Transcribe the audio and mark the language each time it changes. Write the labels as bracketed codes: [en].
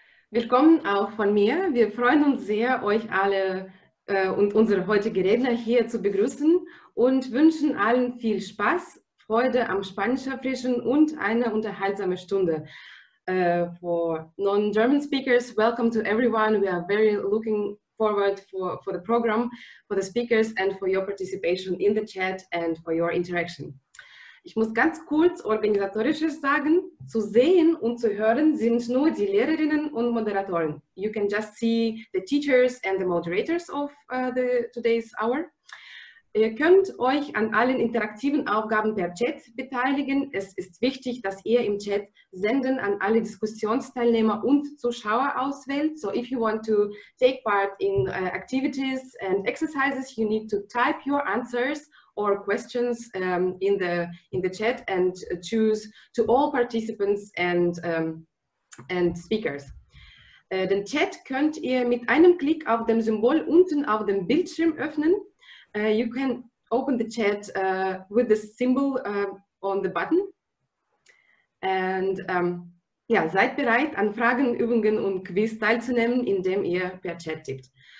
[de] Willkommen auch von mir. Wir freuen uns sehr, euch alle und unsere heutigen Redner hier zu begrüßen und wünschen allen viel Spaß, Freude am Spanischerfrischen und eine unterhaltsame Stunde. [en] For non-German speakers, welcome to everyone. We are very looking forward for the program, for the speakers and for your participation in the chat and for your interaction. [de] Ich muss ganz kurz Organisatorisches sagen, zu sehen und zu hören sind nur die Lehrerinnen und Moderatoren. [en] You can just see the teachers and the moderators of today's hour. [de] Ihr könnt euch an allen interaktiven Aufgaben per Chat beteiligen. Es ist wichtig, dass ihr im Chat Senden an alle Diskussionsteilnehmer und Zuschauer auswählt. [en] So if you want to take part in activities and exercises, you need to type your answers or questions in the chat and choose to all participants and speakers. [de] Den Chat könnt ihr mit einem Klick auf dem Symbol unten auf dem Bildschirm öffnen. [en] You can open the chat with the symbol on the button. [de] And seid bereit, an Fragen, Übungen und Quiz teilzunehmen, indem ihr per Chat tippt.